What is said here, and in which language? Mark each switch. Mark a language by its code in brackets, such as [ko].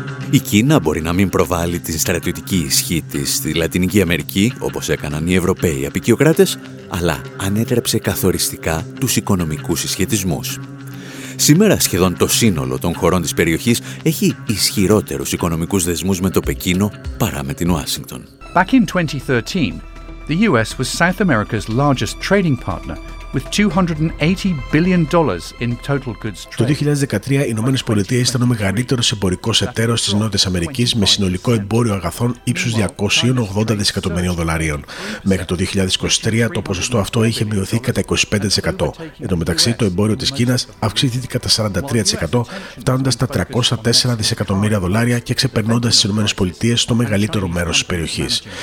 [el] Η Κίνα μπορεί να μην προβάλλει την στρατιωτική ισχύ της στη Λατινική Αμερική όπως έκαναν οι Ευρωπαίοι αποικιοκράτες, αλλά ανέτρεψε καθοριστικά τους οικονομικούς συσχετισμούς. Σήμερα σχεδόν το σύνολο των χωρών της περιοχής έχει ισχυρότερους οικονομικούς δεσμούς με το Πεκίνο παρά με την Ουάσιγκτον. [en] Back in 2013, the US was South America's largest trading partner with $280 billion in total goods trade. [el] Το 2013 οι Ηνωμένες Πολιτείες ήταν ο μεγαλύτερος εμπορικός εταίρος της Νότιας Αμερικής με συνολικό εμπόριο αγαθών ύψους 280 δισεκατομμυρίων δολαρίων. Μέχρι το 2023 το ποσοστό αυτό είχε μειωθεί κατά 25%. Εν τω μεταξύ το εμπόριο της Κίνας αυξήθηκε κατά 43% φτάνοντας στα 304 δισεκατομμύρια δολάρια και ξεπερνώντας τις Ηνωμένες Πολιτείες στο μεγαλύτερο μέρος της περιοχής.